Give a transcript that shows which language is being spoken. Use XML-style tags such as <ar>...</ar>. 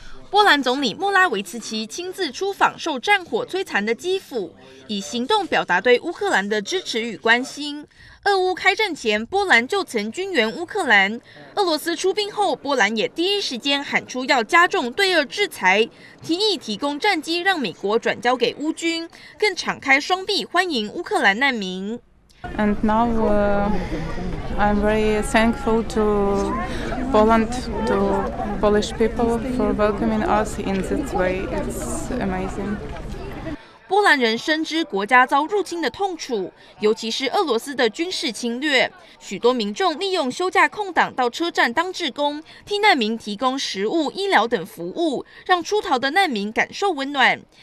<zh>波兰总理莫拉维茨奇亲自出访受战火摧残的基辅，以行动表达对乌克兰的支持与关心。俄乌开战前，波兰就曾军援乌克兰。俄罗斯出兵后，波兰也第一时间喊出要加重对俄制裁，提议提供战机让美国转交给乌军，更敞开双臂欢迎乌克兰难民。</zh> <en>And now, I'm very thankful to Poland, to Polish people for welcoming us in this way. It's amazing.</en> <zh>波兰人深知国家遭入侵的痛楚，尤其是俄罗斯的军事侵略。许多民众利用休假空档到车站当志工，替难民提供食物、医疗等服务，让出逃的难民感受温暖。</zh>